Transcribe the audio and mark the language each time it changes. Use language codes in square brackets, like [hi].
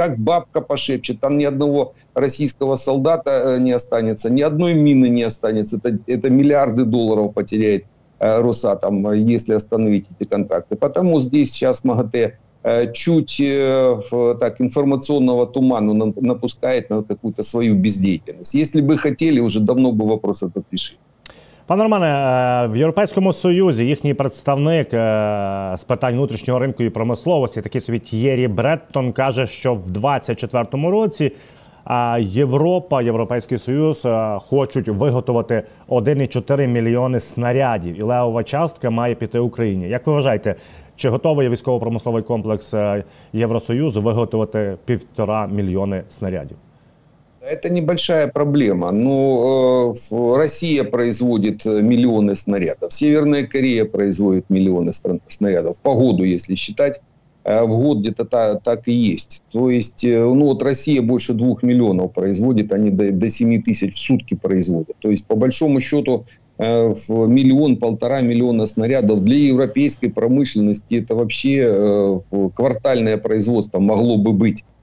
[ru] Как бабка пошепчет, там ни одного российского солдата не останется, ни одной мины не останется, это миллиарды долларов потеряет Росатом, если остановить эти контракты. Потому здесь сейчас МАГАТЭ чуть так информационного тумана напускает на какую-то свою бездеятельность. Если бы хотели, уже давно бы вопрос этот решили. [uk] Пане Романе, в Європейському Союзі їхній представник з питань внутрішнього ринку і промисловості, такий собі Т'єрі Бреттон, каже, що в 24-му році Європа, Європейський Союз хочуть виготовити 1,4 мільйони снарядів, і левова частка має піти Україні. Як ви вважаєте, чи готовий військово-промисловий комплекс Євросоюзу виготовити 1,5 мільйона снарядів? [ru] Це небольшая проблема. Ну, Росія производить мільйони снарядів, Северная Корея производить мільйони снарядів, погоду, якщо считать. В год где-то так и есть. То есть, ну вот Россия больше 2 миллионов производит, они до 7 тысяч в сутки производят. То есть, по большому счету, в миллион-полтора миллиона снарядов для европейской промышленности это вообще квартальное производство могло бы быть.